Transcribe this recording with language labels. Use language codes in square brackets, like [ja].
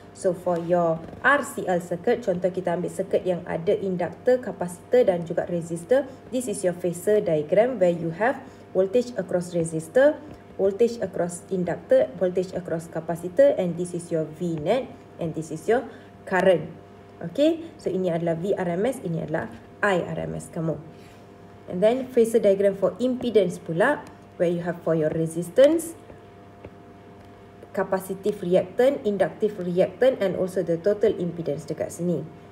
[en] So for your RCL circuit, [ms] contoh kita ambil circuit yang ada inductor, kapasitor dan juga resistor. [en] This is your phasor diagram where you have voltage across resistor, voltage across inductor, voltage across kapasitor and this is your V net and this is your current. [ms] Okay, so ini adalah V RMS, ini adalah I RMS kamu. [en] And then phasor diagram for impedance [ms] pula, [en] where you have for your resistance, capacitive reactant, inductive reactant and also the total impedance [ms] dekat sini.